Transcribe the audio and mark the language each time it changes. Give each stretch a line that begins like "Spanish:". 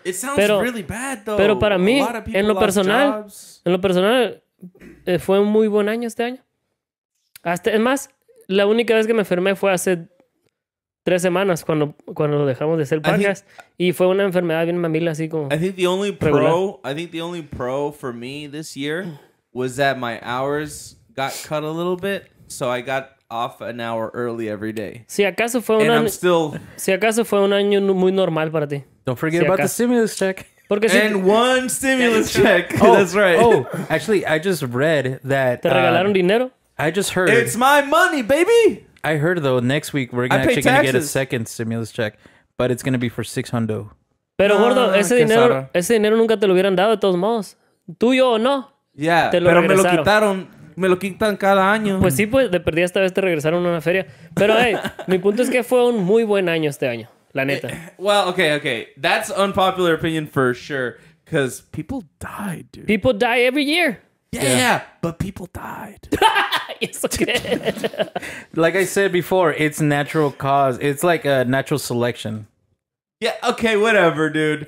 English: It sounds really bad, though.
Spanish: Pero para mí, en lo personal, fue un muy buen año este año. Es más, la única vez que me enfermé fue hace 3 semanas cuando dejamos de hacer podcast, y fue una enfermedad bien mamila así como.
English: I think the only pro for me this year was that my hours got cut a little bit, so I got off an hour early every day.
Spanish: Si acaso fue un año muy normal para ti.
English: Don't forget about the stimulus check. One stimulus check. Oh, that's right. Oh, actually, I just read that.
Spanish: ¿Te regalaron dinero?
English: I just heard. It's my money, baby. I heard, though, next week we're actually going to get a second stimulus check, but it's going to be for 600.
Spanish: Pero, gordo, ese dinero nunca te lo hubieran dado de todos modos. Tuyo o no.
English: Yeah,
Spanish: te lo regresaron. Me lo quitaron. Me lo quitan cada año. Pues sí, pues, de perdida esta vez te regresaron a una feria. Pero, hey, mi punto es que fue un muy buen año este año, la neta.
English: Well, okay. That's unpopular opinion for sure, because people died, dude. People die every year. Yeah, but people died. It's okay. Like I said before, it's natural cause. It's like a natural selection. Yeah, okay, whatever, dude.